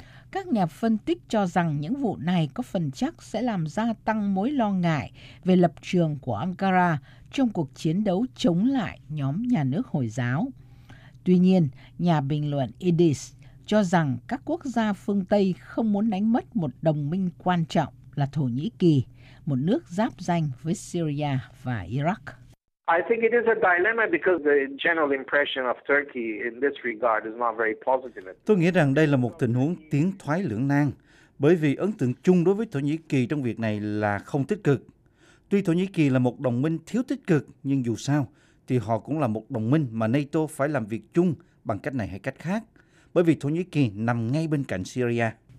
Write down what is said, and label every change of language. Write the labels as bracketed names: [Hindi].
[Vietnamese] Các nhà phân tích cho rằng những vụ này có phần chắc sẽ làm gia tăng mối lo ngại về lập trường của Ankara trong cuộc chiến đấu chống lại nhóm nhà nước Hồi giáo. Tuy nhiên, nhà bình luận Idis cho rằng các quốc gia phương Tây không muốn đánh mất một đồng minh quan trọng là Thổ Nhĩ Kỳ, một nước giáp danh với Syria và Iraq. [English] I think it is a dilemma because the general impression of Turkey in this regard is not very positive. [Vietnamese] Tôi nghĩ rằng đây là một tình huống tiến thoái lưỡng nan, bởi vì ấn tượng chung đối với Thổ Nhĩ Kỳ trong việc này là không tích cực. Tuy Thổ Nhĩ Kỳ là một đồng minh thiếu tích cực, nhưng dù sao thì họ cũng là một đồng minh mà NATO phải làm việc chung bằng cách này hay cách khác, bởi vì Thổ Nhĩ Kỳ nằm ngay bên cạnh Syria.